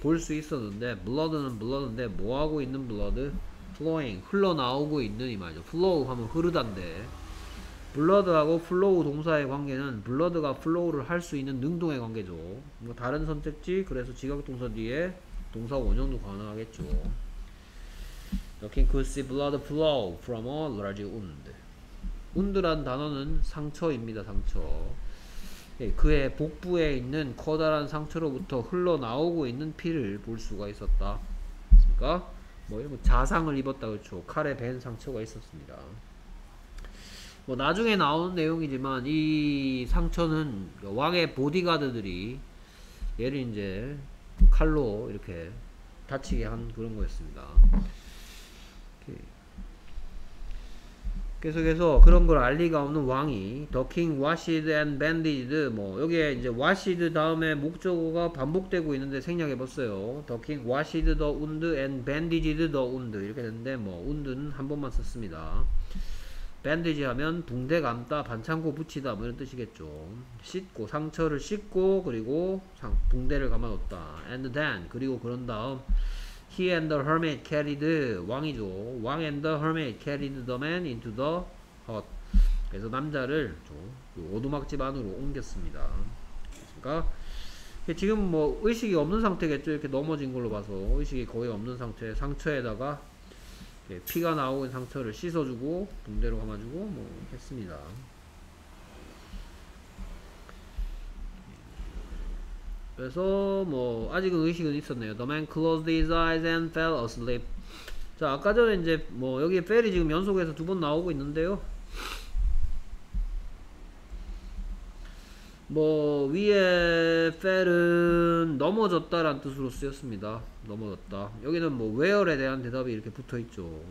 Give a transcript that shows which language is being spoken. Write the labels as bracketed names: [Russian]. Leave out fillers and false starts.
[Korean] 볼 수 있었는데 blood는 blood인데 뭐하고 있는 blood? flowing. 흘러나오고 있는 이 말이죠. flow 하면 흐르다인데 blood하고 flow 동사의 관계는 blood가 flow를 할 수 있는 능동의 관계죠. 뭐 다른 선택지. 그래서 지각동사 뒤에 동사 원형도 가능하겠죠. [English] The king could see blood flow from a large wound. [Korean] wound란 단어는 상처입니다. 상처. 예, 그의 복부에 있는 커다란 상처로부터 흘러나오고 있는 피를 볼 수가 있었다. 맞습니까? 뭐 자상을 입었다. 그렇죠. 칼에 밴 상처가 있었습니다. 뭐 나중에 나온 내용이지만 이 상처는 왕의 보디가드들이 얘를 이제 칼로 이렇게 다치게 한 그런 거였습니다. 계속해서 그런 걸 알 리가 없는 왕이 [English] The king washed and bandaged. [Korean] 뭐 여기에 이제 washed 다음에 목적어가 반복되고 있는데 생략해봤어요. [English] The king washed the wound and bandaged the wound [Korean] 이렇게 됐는데 뭐 wound는 한 번만 썼습니다. bandage 하면 붕대 감다, 반창고 붙이다 뭐 이런 뜻이겠죠. 씻고 상처를 씻고 그리고 붕대를 감아뒀다. [English] And then [Korean] 그리고 그런 다음 [English] He and the hermit carried, [Korean] 왕이죠. [English] 왕 and the hermit carried the man into the hut. [Korean] 그래서 남자를 오두막집 안으로 옮겼습니다. 그러니까 지금 뭐 의식이 없는 상태겠죠. 이렇게 넘어진 걸로 봐서 의식이 거의 없는 상태에 상처에다가 이렇게 피가 나오는 상처를 씻어주고 붕대로 감아주고 뭐 했습니다. 그래서 뭐 아직은 의식은 있었네요. [English] The man closed his eyes and fell asleep. [Korean] 자 아까 전에 이제 뭐 여기에 fell이 지금 연속해서 두 번 나오고 있는데요. 뭐 위에 fell은 넘어졌다라는 뜻으로 쓰였습니다. 넘어졌다. 여기는 뭐 where에 대한 대답이 이렇게 붙어있죠.